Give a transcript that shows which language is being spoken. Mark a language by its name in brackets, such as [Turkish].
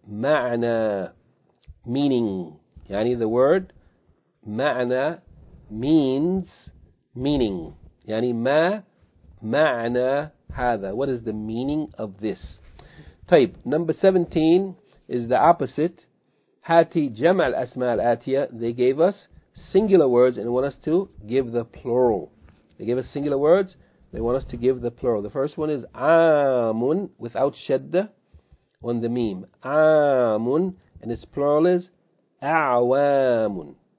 [English] Ma'na, meaning, yani the word ma'na means meaning. Yani [Arabic] ma ma'na hadha, [English] what is the meaning of this? طيب, number 17 is the opposite. [Arabic] Hati جمع الأسماء الآتية. [English] They gave us singular words and want us to give the plural. They gave us singular words, they want us to give the plural. The first one is عامٌ without شدة on the ميم. عامٌ, and its plural is أعوامٌ.